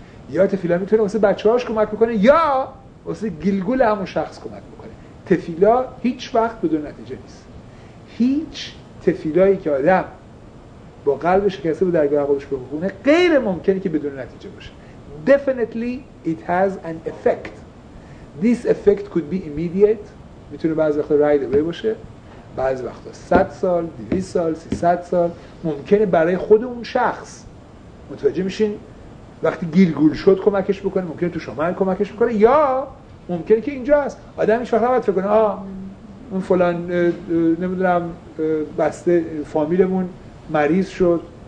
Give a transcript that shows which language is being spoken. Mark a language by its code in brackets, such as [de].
[fa] یا تفیلا میتونه واسه بچه‌هاش کمک بکنه یا واسه گلگول همون شخص کمک بکنه. تفیلا هیچ وقت بدون نتیجه نیست. هیچ تفیلایی که آدم با قلب شکسته به درگاه خودش بکنه غیر ممکنه که بدون نتیجه باشه. [en] Definitely it has an effect. This effect could be immediate. [fa] میتونه بعضی وقتا [en] right away [fa] باشه. بعضی وقتا 100 سال، 200 سال، 300 سال ممکنه برای خود اون شخص. متوجه میشین؟ وقتی گیلگول شد کمکش بکنه، ممکنه تو شما کمکش بکنه یا ممکنه که اینجا هست. آدم هیچ وقت نباید فکر کنه اون فلان نمیدونم بسته فامیلمون مریض شد.